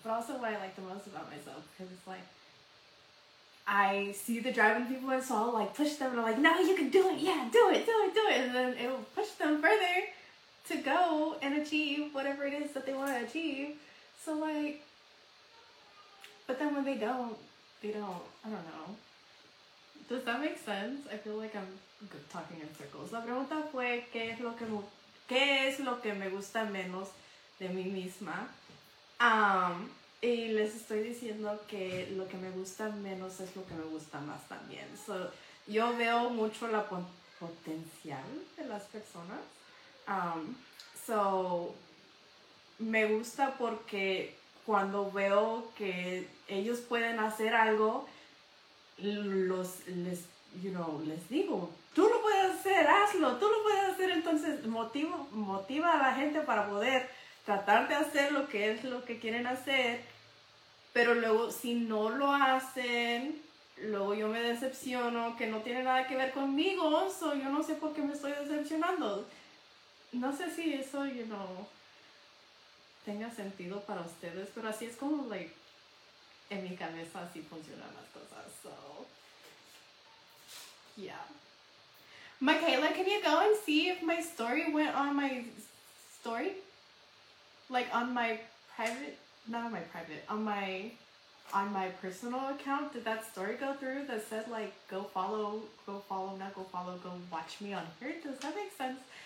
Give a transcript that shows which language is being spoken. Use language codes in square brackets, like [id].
[en] But also what I like the most about myself, because it's like, I see the drive in people, and so I'll, like, push them, and I'm like, no, you can do it. Yeah, do it, do it, do it. And then it'll push them further to go and achieve whatever it is that they want to achieve. So, like, but then when they don't, I don't know. Does that make sense? I feel like I'm talking in circles. [es] La pregunta fue, ¿qué es lo que me gusta menos de mí misma? Y les estoy diciendo que lo que me gusta menos es lo que me gusta más también. So, yo veo mucho la potencial de las personas. So, me gusta porque cuando veo que ellos pueden hacer algo, les digo, tú lo puedes hacer, hazlo, tú lo puedes hacer. Entonces motiva a la gente para poder tratar de hacer lo que es lo que quieren hacer, pero luego si no lo hacen, luego yo me decepciono, que no tiene nada que ver conmigo, so yo no sé por qué me estoy decepcionando. No sé si eso, tenga sentido para ustedes, pero así es como, like, en mi cabeza así funcionan las cosas, so. [en] Yeah. Michaela, can you go and see if my story went on my story? Like, on my private, not on my private, on my personal account, did that story go through that said, like, go watch me on here? Does that make sense?